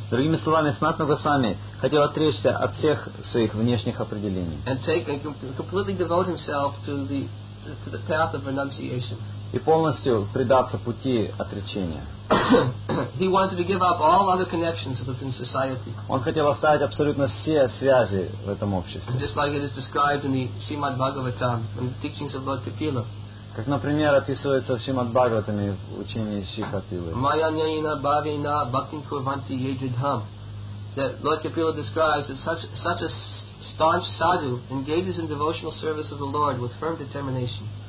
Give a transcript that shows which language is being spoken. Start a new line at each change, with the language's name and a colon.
Russian: Другими словами, Санатана Госвами хотел отречься от всех своих внешних определений.
English: And take and completely devote himself to the path of renunciation.
Russian: И полностью предаться пути отречения.
English: He wanted to give up all other connections within society.
Russian: Он хотел оставить абсолютно все связи в этом обществе.
English: Just like it is described in the Srimad Bhagavatam, in the teachings of Lord Kapila.
Russian: Как, например, описывается в Шримад-Бхагаватаме в учении Шри Капилы.
Sanskrit: Mayanyena bhavena bhaktin kurvanti yejidham.
English: That Lord Kapila describes that such a staunch sadhu engages in devotional service of the Lord with firm determination.